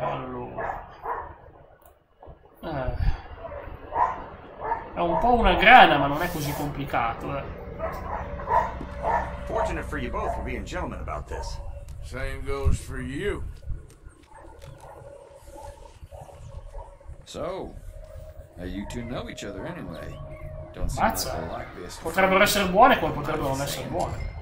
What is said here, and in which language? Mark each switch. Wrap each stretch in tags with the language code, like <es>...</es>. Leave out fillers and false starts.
<it>Allora, è un po' una grana, ma non è così complicato.</it> <en>Fortunate for you both for being gentlemen about this. Same goes for you. So, now you two know each other anyway. Don't seem like they like this.</en> <it>Potrebbero essere buone, come potrebbero non essere buone.</it>